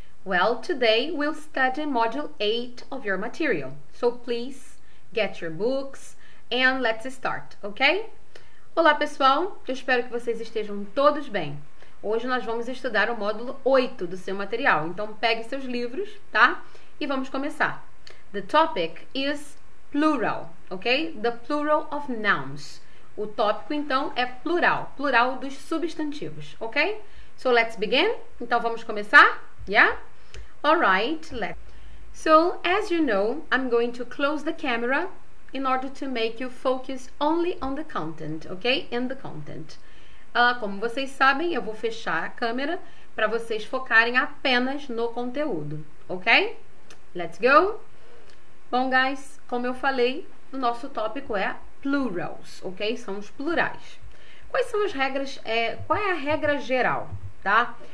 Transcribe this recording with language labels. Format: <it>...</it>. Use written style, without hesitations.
<en>Well, today we'll study module 8 of your material. So please get your books and let's start, ok?</en> <pt>Olá pessoal, eu espero que vocês estejam todos bem. Hoje nós vamos estudar o módulo 8 do seu material. Então pegue seus livros, tá? E vamos começar.</pt> <en>The topic is plural, ok? The plural of nouns.</en> <pt>O tópico, então, é plural. Plural dos substantivos, ok?</pt> <en>So, let's begin.</en> <pt>Então, vamos começar?</pt> <en>Yeah? Alright, let's... So, as you know, I'm going to close the camera in order to make you focus only on the content, ok? In the content.</en> <pt>Como vocês sabem, eu vou fechar a câmera para vocês focarem apenas no conteúdo, ok?</pt> <en>Let's go.</en> <pt>Bom, guys, como eu falei, o nosso tópico é plurals, ok? São os plurais. Quais são as regras? Qual é a regra geral, tá?</pt>